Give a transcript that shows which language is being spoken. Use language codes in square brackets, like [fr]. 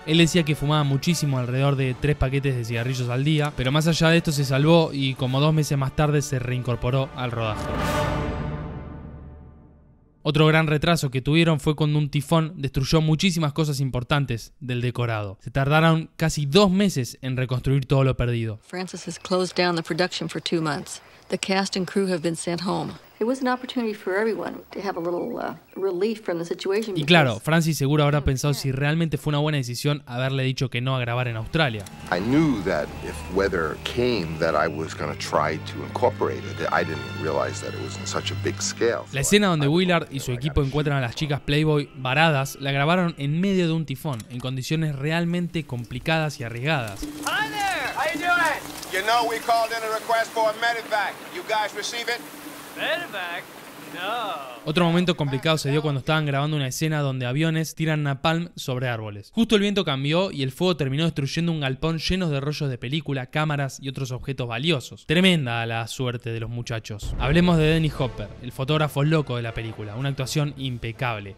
[es] Él decía que fumaba muchísimo, alrededor de 3 paquetes de cigarrillos al día, pero más allá de esto se salvó y como 2 meses más tarde se reincorporó al rodaje. Otro gran retraso que tuvieron fue cuando un tifón destruyó muchísimas cosas importantes del decorado. Se tardaron casi 2 meses en reconstruir todo lo perdido. [en] Francis has closed down the production for 2 months. The cast and crew have been sent home. It was an opportunity for everyone to have a little relief from the situation. [es] Y claro, Francis seguro habrá pensado si realmente fue una buena decisión haberle dicho que no a grabar en Australia. [en] I knew that if weather came that I was going to try to incorporate it. I didn't realize that it was in such a big scale. [es] La escena donde Willard y su equipo encuentran a las chicas Playboy varadas la grabaron en medio de un tifón, en condiciones realmente complicadas y arriesgadas. [en] You know we called in a request for a medevac. You guys receive it? Medevac? No. [es] Otro momento complicado se dio cuando estaban grabando una escena donde aviones tiran napalm sobre árboles. Justo el viento cambió y el fuego terminó destruyendo un galpón lleno de rollos de película, cámaras y otros objetos valiosos. Tremenda la suerte de los muchachos. Hablemos de Dennis Hopper, el fotógrafo loco de la película, una actuación impecable.